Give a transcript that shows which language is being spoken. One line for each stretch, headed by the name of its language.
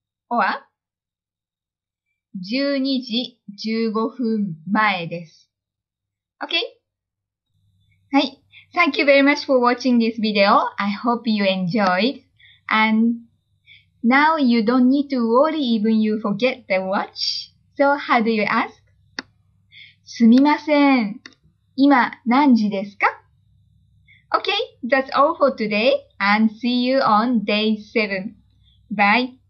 Japanese: or12時15分前です。Okay? はい。
English: Thank you very much for watching this video. I hope you enjoyed. And now you don't need to worry even you forget the watch. So how do you ask?
Japanese: すみません。今何時ですか？
English: Okay, that's all for today and see you on day 7. Bye.